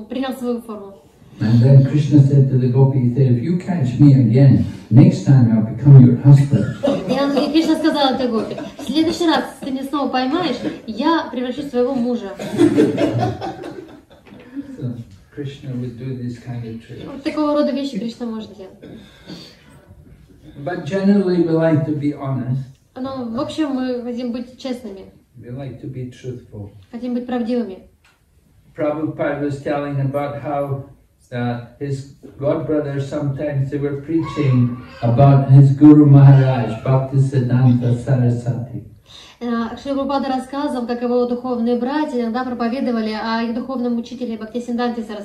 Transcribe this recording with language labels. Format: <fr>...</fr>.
<en>And then Krishna said to the gopi, he said, if you catch me again, next time I'll become your husband.</en> <ru>И Кришна сказал этой гопи, в следующий раз, если ты меня снова поймаешь, я превращусь в своего мужа.</ru> <en>Krishna would do this kind of trick.</en> <ru>Такого рода вещи Кришна может делать.</ru> <en>But generally we like to be honest.</en> <ru>Но в общем мы хотим быть честными.</ru> <en>We like to be truthful.</en> <ru>Хотим быть правдивыми.</ru> <en>Prabhupada was telling about how his godbrother sometimes they were preaching about his Guru Maharaj, Bhaktisiddhanta Sarasvati.</en> <ru>Шри Прабхупада рассказывал, как его духовные братья иногда проповедовали о их духовном учителе Бхактисиддханте</ru>